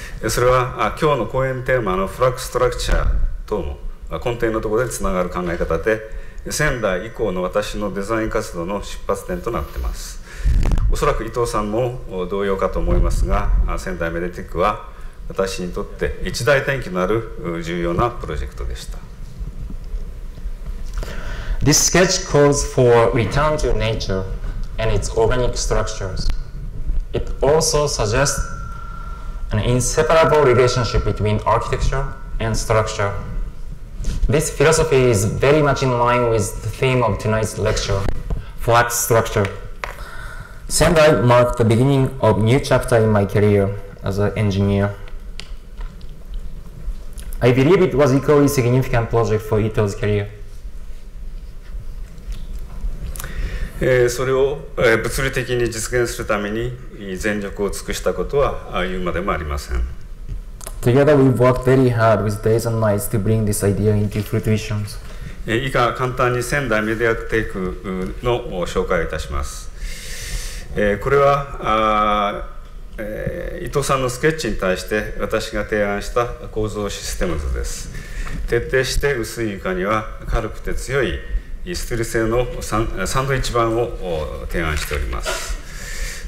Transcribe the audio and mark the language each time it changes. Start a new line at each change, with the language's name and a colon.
Japanese: それは今日の講演テーマのフラックストラクチャーとも根底のところでつながる考え方で仙台以降の私のデザイン活動の出発点となっています。おそらく伊藤さんも同様かと思いますが仙台メディテックは私にとって一大転機のある重要なプロジェクトでした。
English: This sketch calls for return to nature and its organic structures. It also suggestsAn inseparable relationship between architecture and structure. This philosophy is very much in line with the theme of tonight's lecture, flat structure. Sendai marked the beginning of a new chapter in my career as an engineer. I believe it was equally significant project for Ito's career.
Japanese: それを物理的に実現するために全力を尽くしたことは言うまでもありません。
English: Together we worked very hard with days and nights to bring this idea into fruition.
Japanese: 以下簡単に仙台メディアテイクの紹介をいたします。これは伊藤さんのスケッチに対して私が提案した構造システム図です。徹底して薄い床には軽くて強いステル製のサンドイッチ板を提案しております。